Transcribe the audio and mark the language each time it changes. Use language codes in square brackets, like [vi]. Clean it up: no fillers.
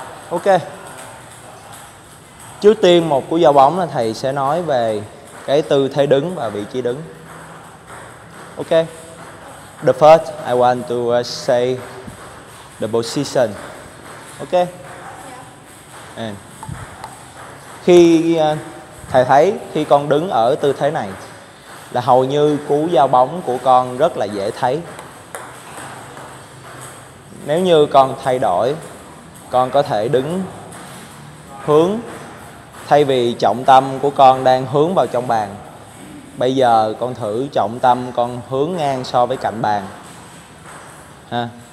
[vi] Ok. Trước tiên một của giao bóng là thầy sẽ nói về cái tư thế đứng và vị trí đứng. Ok. [en] The first I want to say the position. Ok. [vi] And khi thầy thấy khi con đứng ở tư thế này là hầu như cú giao bóng của con rất là dễ thấy. Nếu như con thay đổi, con có thể đứng hướng, thay vì trọng tâm của con đang hướng vào trong bàn, bây giờ con thử trọng tâm con hướng ngang so với cạnh bàn ha.